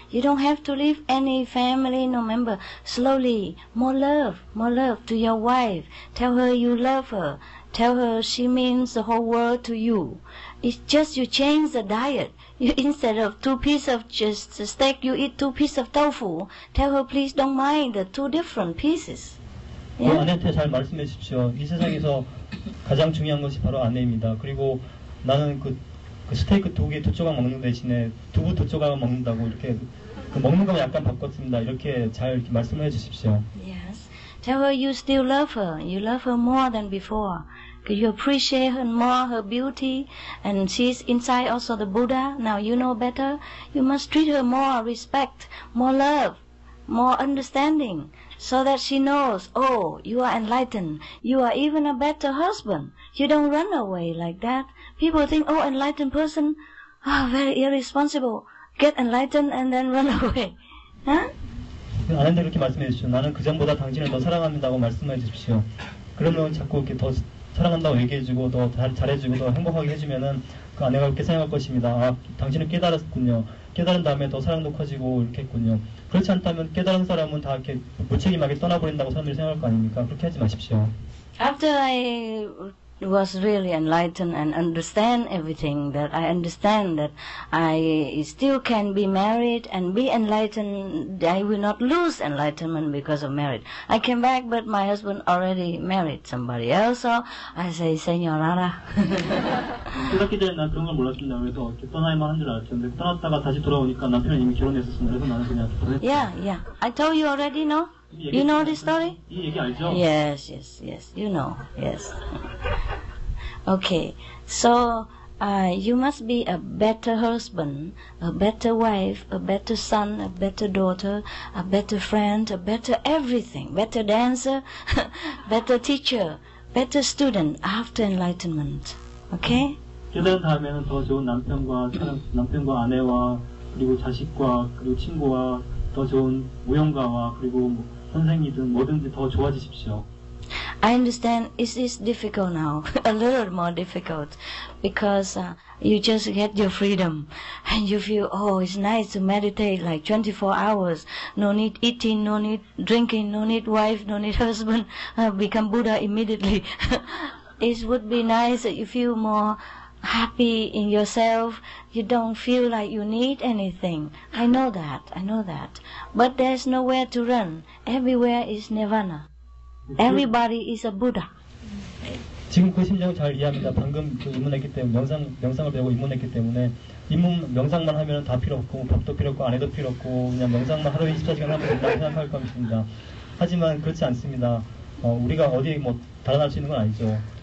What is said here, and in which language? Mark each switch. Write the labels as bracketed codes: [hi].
[en] You don't have to leave any family, no member. Slowly, more love to your wife. Tell her you love her. Tell her she means the whole world to you. It's just you change the diet. You, instead of 2 pieces of just steak, you eat 2 pieces of tofu. Tell her please don't mind the 2 different pieces. Yeah? [ko] 아내한테 잘 말씀해 주십시오. 이 세상에서 가장 중요한 것이 바로 아내입니다. 그리고 나는 그 스테이크 2개 2조각 먹는 대신에 두부 2조각 먹는다고 이렇게 그 먹는 거 약간 바꿨습니다. 이렇게 잘 이렇게 말씀해 주십시오. [en] Yes. Tell her you still love her. You love her more than before. You appreciate her more, her beauty, and she's inside also the Buddha. Now you know better. You must treat her more respect, more love, more understanding, so that she knows, oh, you are enlightened. You are even a better husband. You don't run away like that. People think, oh, enlightened person, oh, very irresponsible. Get enlightened and then run away. Huh? [ko] 아는데 이렇게 말씀해 주십시오. 나는 그 전보다 당신을 더 사랑합니다고 말씀해 주십시오. 그러면 자꾸 이렇게 더 사랑한다고 얘기해 주고 더 잘해 주고 더 행복하게 해주면은 그 아내가 그렇게 생각할 것입니다. 아, 당신은 깨달았군요. 깨달은 다음에 더 사랑도 커지고 이렇게 했군요. 그렇지 않다면 깨달은 사람은 다 이렇게 무책임하게 떠나버린다고 사람들이 생각할 거 아닙니까? 그렇게 하지 마십시오. [en] After I was really enlightened and understand everything, that I understand that I still can be married and be enlightened, I will not lose enlightenment because of marriage. I came back, but my husband already married somebody else, so I say, Señorara. [ko] 그렇게 되면 난 그런 걸 몰랐습니다. 그래서 떠나야만 한 줄 알았는데 떠났다가 다시 돌아오니까 남편은 이미 결혼했었습니다. 그래서 나는 그냥 돌아왔습니다. [en] Yeah, yeah. I told you already, no? You know this story? [ko] 이 얘기 알죠? [en] Yes, yes, yes. You know, yes. Okay, so you must be a better husband, a better wife, a better son, a better daughter, a better friend, a better everything, better dancer, better teacher, better student after enlightenment. Okay? [ko] 깨달은 다음에는 더 좋은 남편과 남편과 아내와 그리고 자식과 그리고 친구와 더 좋은 무용가와 그리고 뭐 선생님이든 뭐든지 더 좋아지십시오. [en] I understand it is difficult now, a little more difficult, because you just get your freedom, and you feel, oh, it's nice to meditate like 24 hours, no need eating, no need drinking, no need wife, no need husband, become Buddha immediately. It would be nice that you feel more happy in yourself, you don't feel like you need anything. I know that, but there's nowhere to run, everywhere is Nirvana. Everybody is a Buddha. [ko] 지금 그 심정 잘 이해합니다. 방금 그 입문했기 때문에 명상을 배우고 입문했기 때문에 입문 명상만 하면 다 필요 없고 밥도 필요 없고 아내도 필요 없고 그냥 명상만 하루 24시간 하면 된다고 생각할 것입니다. 하지만 그렇지 않습니다. 우리가 어디에 뭐 달아날 수 있는 건 아니죠.